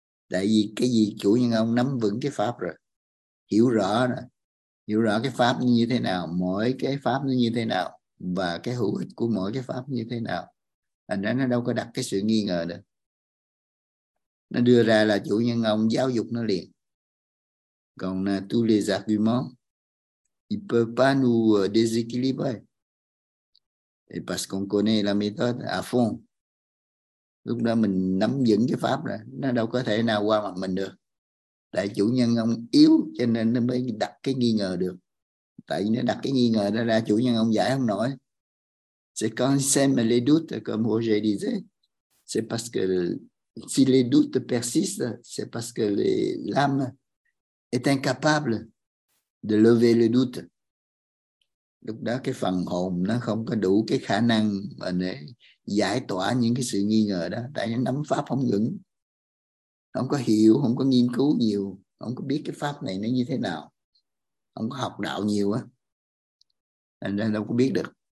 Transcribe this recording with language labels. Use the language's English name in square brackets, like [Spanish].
[Vietnamese] Tại vì cái gì chủ nhân ông nắm vững cái pháp rồi, hiểu rõ rồi. Hiểu rõ cái pháp như thế nào, mỗi cái pháp nó như thế nào, và cái hữu ích của mỗi cái pháp như thế nào. Thành ra nó đâu có đặt cái sự nghi ngờ được. Nó đưa ra là chủ nhân ông giáo dục nó liền. Còn [French] tous les arguments, ils ne peuvent pas nous déséquilibrer. Et parce qu'on connaît la méthode à fond. [Vietnamese] Lúc đó mình nắm vững cái pháp rồi, nó đâu có thể nào qua mặt mình được. Tại chủ nhân ông yếu cho nên nó mới đặt cái nghi ngờ được. Tại nó đặt cái nghi ngờ đó ra, chủ nhân ông giải không nổi. [French] C'est quand il sème les doutes, comme Roger disait, c'est parce que si les doutes persistent, c'est parce que l'âme est incapable de lever le doute. [Vietnamese] Lúc đó cái phần hồn nó không có đủ cái khả năng mà để giải tỏa những cái sự nghi ngờ đó, tại nó nắm pháp không vững, không có hiểu, không có nghiên cứu nhiều, không có biết cái pháp này nó như thế nào, không có học đạo nhiều á, thành ra đâu có biết được.